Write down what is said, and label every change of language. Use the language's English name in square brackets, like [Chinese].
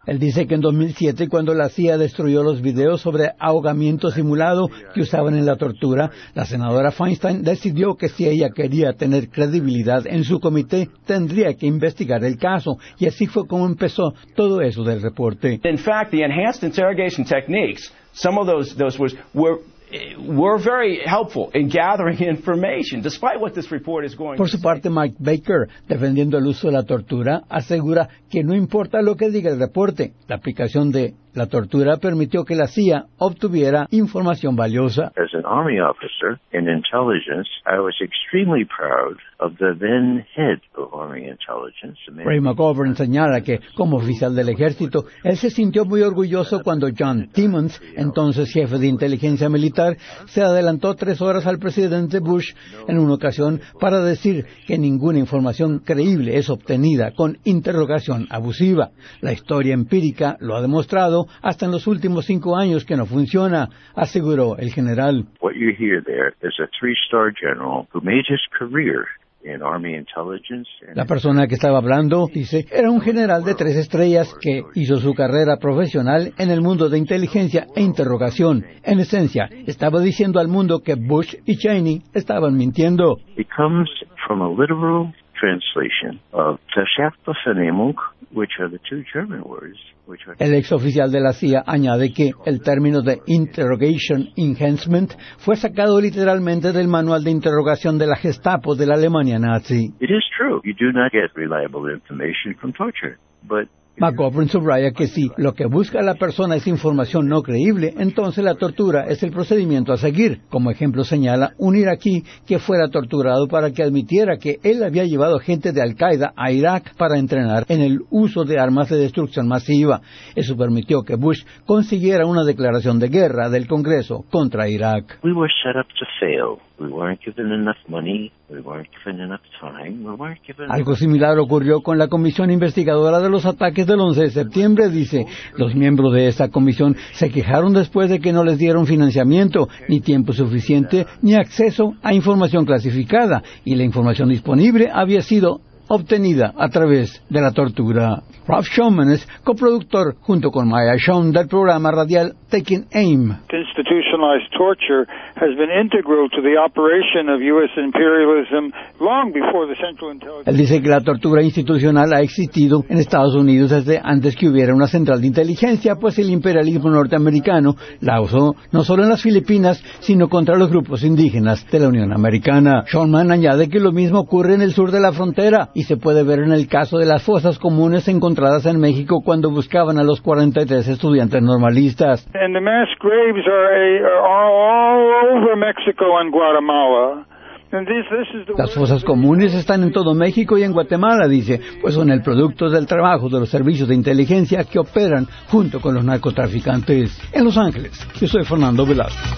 [Spanish] Él dice que en 2007, cuando la CIA destruyó los videos sobre ahogamiento simulado que usaban en la tortura, la senadora Feinstein decidió que si ella quería tener credibilidad en su comité, tendría que investigar el caso, y así fue como empezó todo eso del reporte. [English] In fact, the enhanced interrogation techniques, some of those were very helpful in gathering information, despite what this report is going. [Spanish] Por su parte, Mike Baker, defendiendo el uso de la tortura, asegura que no importa lo que diga el reporte, la aplicación de la tortura permitió que la CIA obtuviera información valiosa. [English] As an army officer in intelligence, I was extremely proud of the then head of army intelligence. [Spanish] Ray McGovern señala que, como oficial del ejército, él se sintió muy orgulloso cuando John Timmons, entonces jefe de inteligencia militar, se adelantó 3 horas al presidente Bush en una ocasión para decir que ninguna información creíble es obtenida con interrogación abusiva. La historia empírica lo ha demostrado hasta en los últimos 5 años que no funciona, aseguró el general. [English] What you hear there is a 3-star general who made his career in army intelligence. [Spanish] La persona que estaba hablando, dice, era un general de 3 estrellas que hizo su carrera profesional en el mundo de inteligencia e interrogación. En esencia, estaba diciendo al mundo que Bush y Cheney estaban mintiendo. [English] It comes from a literal translation of Verschaftsvernehmung, which are the 2 German words. [Spanish] El exoficial de la CIA añade que el término de interrogation enhancement fue sacado literalmente del manual de interrogación de la Gestapo de la Alemania nazi. [English] It is true. You do not get reliable information from torture, but [Spanish] McGovern subraya que si lo que busca la persona es información no creíble, entonces la tortura es el procedimiento a seguir. Como ejemplo señala un iraquí que fuera torturado para que admitiera que él había llevado gente de Al-Qaeda a Irak para entrenar en el uso de armas de destrucción masiva. Eso permitió que Bush consiguiera una declaración de guerra del Congreso contra Irak. [English] We were set up to fail. We weren't given enough money, we weren't given enough time, we weren't given. [Spanish] Algo similar ocurrió con la comisión investigadora de los ataques del 11 de septiembre, dice. Los miembros de esa comisión se quejaron después de que no les dieron financiamiento, ni tiempo suficiente, ni acceso a información clasificada, y la información disponible había sido obtenida a través de la tortura. Ralph Schoeman es coproductor junto con Maya Schoen del programa radial Taking Aim. [English] Institutionalized torture has been integral to the operation of U.S. imperialism long before the Central Intelligence. [Spanish] Él dice que la tortura institucional ha existido en Estados Unidos desde antes que hubiera una central de inteligencia, pues el imperialismo norteamericano la usó no solo en las Filipinas, sino contra los grupos indígenas de la Unión Americana. Schoeman añade que lo mismo ocurre en el sur de la frontera y se puede ver en el caso de las fosas comunes encontradas en México cuando buscaban a los 43 estudiantes normalistas. [English] And the mass graves are all over Mexico and Guatemala. [Spanish] Las fosas comunes están en todo México y en Guatemala, dice, pues son el producto del trabajo de los servicios de inteligencia que operan junto con los narcotraficantes. En Los Ángeles, yo soy Fernando Velasco.